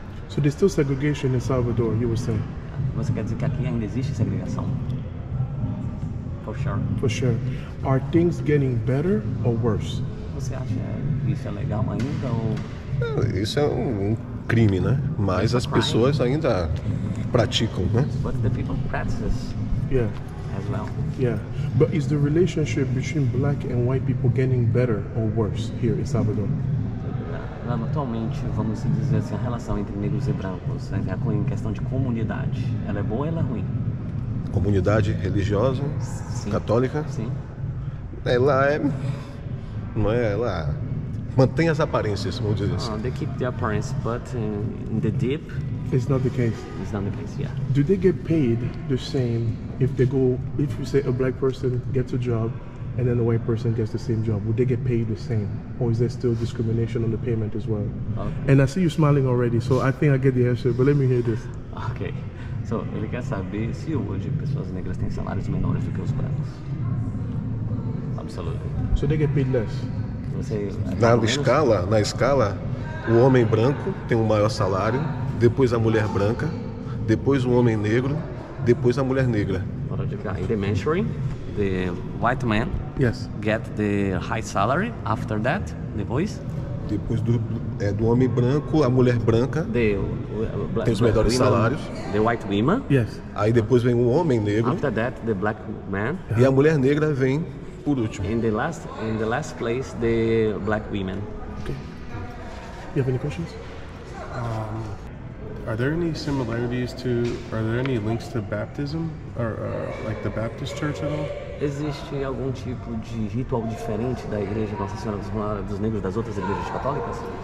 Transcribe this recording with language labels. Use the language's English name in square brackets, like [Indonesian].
[English] So there's still segregation in Salvador, you were saying? [Portuguese] Você quer dizer que aqui ainda existe segregação? [English] For sure. For sure. Are things getting better or worse? [Portuguese] Você acha isso é legal ainda ou... Isso é um crime, né? Mas as pessoas ainda praticam, né? [English] But the people practice. Yeah. As well. Yeah. But is the relationship between black and white people getting better or worse here in Salvador? [Portuguese] Atualmente, vamos dizer assim, a relação entre negros e brancos, em questão de comunidade, ela é boa ou ela é ruim? Comunidade religiosa? Sim. Católica? Sim. Ela é... Não é ela... Mantém as aparências, vamos dizer assim. [English] They keep the appearance, but in the deep... It's not the case. It's not the case, yeah. Do they get paid the same if they go... If you say a black person gets a job and then a white person gets the same job, would they get paid the same? Or is there still discrimination on the payment as well? Okay. And I see you smiling already, so I think I get the answer, but let me hear this. Okay. [Portuguese] So, ele quer saber se hoje pessoas negras têm salários menores do que os brancos. [English] Absolutely. So they get paid less? [Portuguese] Na escala, o homem branco tem o maior salário, depois a mulher branca, depois o homem negro, depois a mulher negra. [English] In the measuring, the white man get the high salary after that, depois? [Portuguese] Depois do homem branco, a mulher branca tem os melhores [English] women, [Portuguese] salários. [English] The white woman. Yes. [Portuguese] Aí depois vem o homem negro. [English] After that, the black man. [Portuguese] E a mulher negra vem... Por último. [English] In the last place, the black women. Okay. You have any questions? Are there any similarities to? Are there any links to baptism or like the Baptist Church at all? [Portuguese] Existe algum tipo de ritual diferente da Igreja Nossa Senhora dos Negros das outras igrejas católicas?